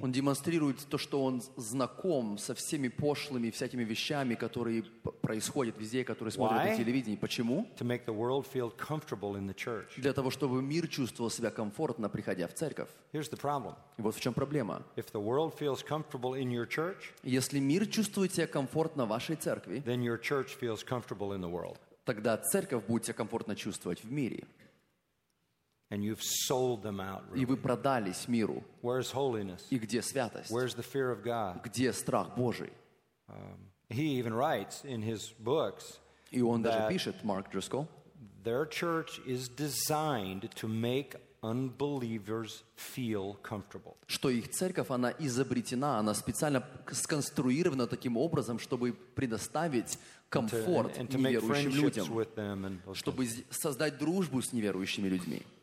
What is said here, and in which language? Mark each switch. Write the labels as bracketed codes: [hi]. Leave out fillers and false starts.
[ru] Он демонстрирует то, что он знаком со всеми пошлыми всякими вещами, которые происходят везде, которые смотрят на телевидении. Почему? [en] To make the world feel comfortable in the church. [ru] Для того, чтобы мир чувствовал себя комфортно, приходя в церковь. [en] Here's the problem. [ru] И вот в чем проблема. [en] If the world feels comfortable in your church, [ru] если мир чувствует себя комфортно в вашей церкви, [en] then your church feels comfortable in the world. [ru] Тогда церковь будет себя комфортно чувствовать в мире. [en] And you've sold them out. Really. [ru] И вы продались миру. [en] Where's holiness? [ru] И где святость? [en] Where's the fear of God? [ru] Где страх Божий? [en] He even writes in his books. [ru] И он даже пишет, Марк Дрискол. [en] Their church is designed to make unbelievers feel comfortable. [ru] Что их церковь она изобретена, она специально сконструирована таким образом, чтобы предоставить комфорт неверующим людям, чтобы создать дружбу с неверующими людьми.